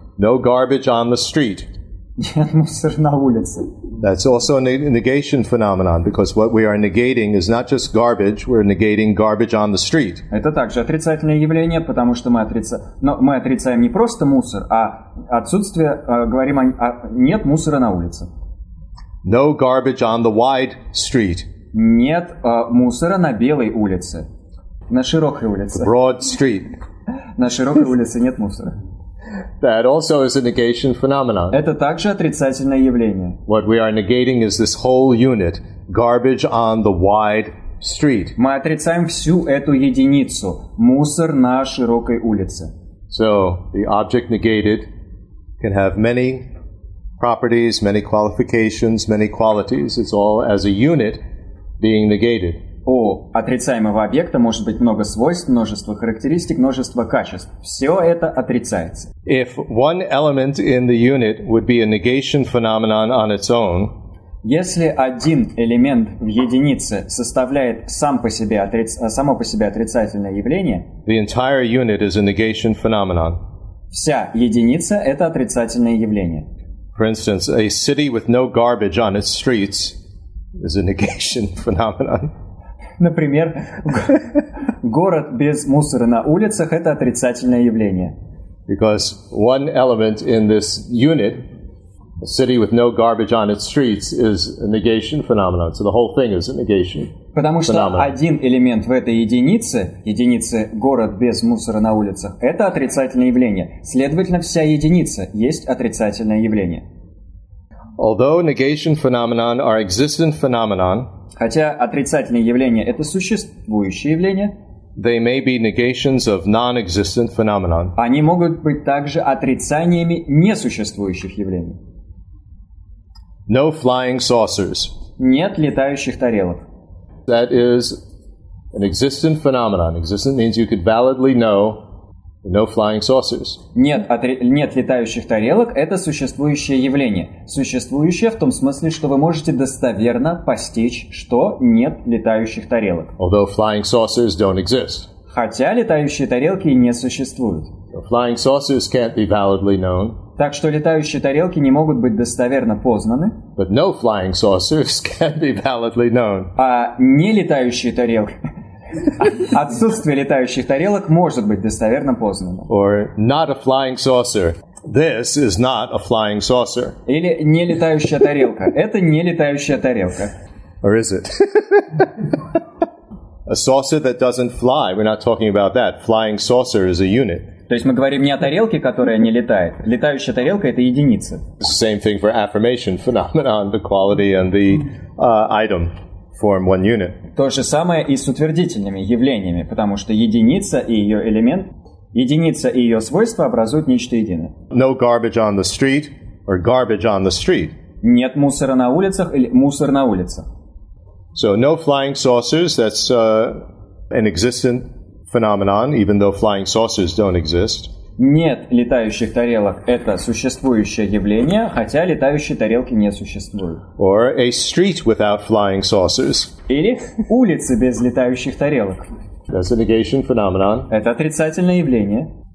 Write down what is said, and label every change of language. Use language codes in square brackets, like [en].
[en] No garbage on the street. [ru] Нет мусора на улице. [en] That's also a negation phenomenon, because what we are negating is not just garbage, we're negating garbage on the street. [ru] Это также отрицательное явление, потому что мы отрицаем не просто мусор, а отсутствие, говорим о нет мусора на улице. [en] No garbage on the wide street. [ru] Нет мусора на белой улице. На широкой улице. [en] Broad street. [ru] На широкой улице нет мусора. [en] That also is a negation phenomenon. [ru] Это также отрицательное явление. [en] What we are negating is this whole unit, garbage on the wide street. [ru] Мы отрицаем всю эту единицу, мусор на широкой улице. [en] So, the object negated can have many properties, many qualifications, many qualities. It's all as a unit being negated. [ru] У отрицаемого объекта может быть много свойств, множество характеристик, множество качеств. Все это отрицается. [en] If one element in the unit would be a negation phenomenon on its own, [ru] если один элемент в единице составляет само по себе отрицательное явление, [en] the entire unit is a negation phenomenon. [ru] Вся единица — это отрицательное явление. [en] For instance, a city with no garbage on its streets is a negation phenomenon. [ru] Например, город без мусора на улицах — это отрицательное явление. [en] Because one element in this unit, a city with no garbage on its streets, is a negation phenomenon. So the whole thing is a negation phenomenon. [ru] Потому что один элемент в этой единице «город без мусора на улицах» — это отрицательное явление. Следовательно, вся единица есть отрицательное явление. [en] Although negation phenomenon are existent phenomenon, [ru] хотя отрицательные явления — это существующие явления, [en] they may be negations of non-existent phenomenon. [ru] Они могут быть также отрицаниями несуществующих явлений. [en] No flying saucers. [ru] Нет летающих тарелок. [en] That is an existent phenomenon. Existent means you could validly know no flying saucers. [ru] Нет летающих тарелок — это существующее явление. Существующее в том смысле, что вы можете достоверно постичь, что нет летающих тарелок. [en] Although flying saucers don't exist. [ru] Хотя летающие тарелки не существуют. [en] Flying saucers can't be validly known. [ru] Так что летающие тарелки не могут быть достоверно познаны. [en] But no flying saucers can be validly known. [ru] А нелетающие тарелки... Отсутствие летающих тарелок может быть достоверно познано. [en] Or not a flying saucer. This is not a flying saucer. [ru] Или нелетающая тарелка. Это нелетающая тарелка. [en] Or is it? A saucer that doesn't fly. We're not talking about that. Flying saucer is a unit. [ru] То есть мы говорим не о тарелке, которая не летает. Летающая тарелка — это единица. [en] Same thing for affirmation phenomenon, the quality and the item form one unit. [ru] То же самое и с утвердительными явлениями, потому что единица и ее элемент, единица и ее свойства образуют нечто единое. [en] No garbage on the street or garbage on the street. [ru] Нет мусора на улицах или мусор на улицах. [en] So no flying saucers, that's an existent phenomenon, even though flying saucers don't exist. [ru] Нет летающих тарелок — это существующее явление, хотя летающие тарелки не существуют. [en] Or a street without flying saucers. [ru] Или улицы без летающих тарелок. [en] That's a negation phenomenon. [ru] Это отрицательное явление.